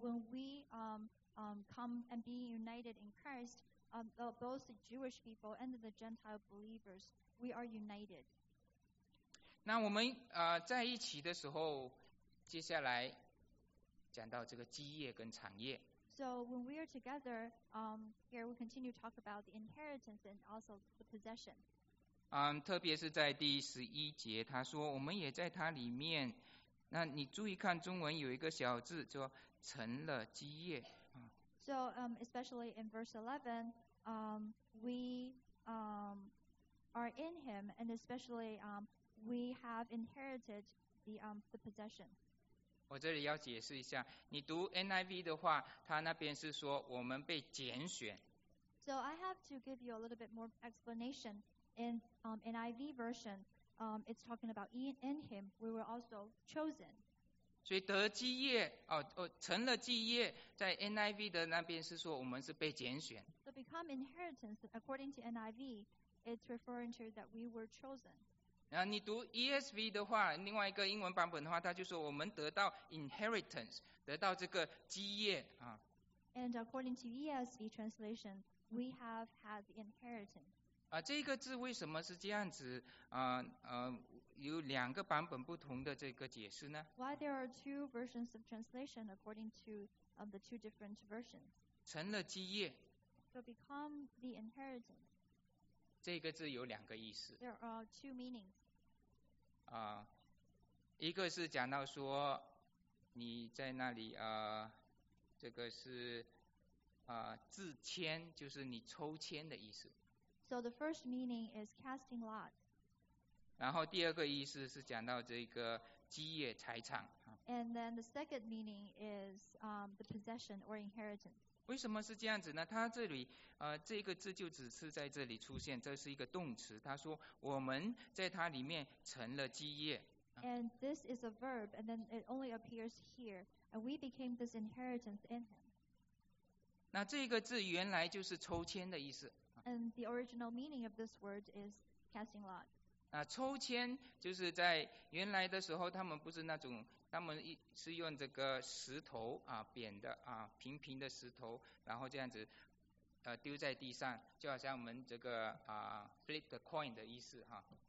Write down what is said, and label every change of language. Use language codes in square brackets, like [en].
[en] when we come and be united in Christ, both the Jewish people and the Gentile believers, we are united. [zh] 那我们在一起的时候，接下来讲到这个基业跟产业。 [en] So when we are together, here we continue to talk about the inheritance and also the possession. [zh] 特别是在第11节，他说我们也在他里面。那你注意看中文有一个小字，叫成了基业。 [en] So especially in verse 11, we are in him, and especially we have inherited the possession. [zh] 我这里要解释一下，你读 NIV 的话，它那边是说我们被拣选。 [en] So I have to give you a little bit more explanation. In NIV version, it's talking about in him we were also chosen. [zh] 所以得基业哦哦，成了基业，在 NIV 的那边是说我们是被拣选。 [en] So become inheritance according to NIV, it's referring to that we were chosen. [zh] 然后你读 ESV 的话，另外一个英文版本的话，它就说我们得到 inheritance, 得到这个基业啊。 [en] And according to ESV translation, we have had the inheritance. [zh] 啊，这个字为什么是这样子啊？有两个版本不同的这个解释呢 [en] ？Why there are two versions of translation according to the two different versions? [zh] 成了基业。 [en] So become the inheritance. [zh] 这个字有两个意思。 [en] There are two meanings. [zh] 啊，一个是讲到说你在那里这个是自签，就是你抽签的意思。 [en] So the first meaning is casting lots. [zh] 然后第二个意思是讲到这个基业财产。 [en] And then the second meaning is the possession or inheritance. [zh] 为什么是这样子呢？他这里这个字就只是在这里出现，这是一个动词。他说我们在它里面成了基业。 [en] And this is a verb, and then it only appears here, and we became this inheritance in him. [zh] 那这个字原来就是抽签的意思。 [en] And the original meaning of this word is casting lot. [zh] 那抽签就是在原来的时候，他们不是那种，他们是用这个石头啊，扁的啊，平平的石头，然后这样子丢在地上，就好像我们这个 [en] flip the coin [zh] 的意思哈。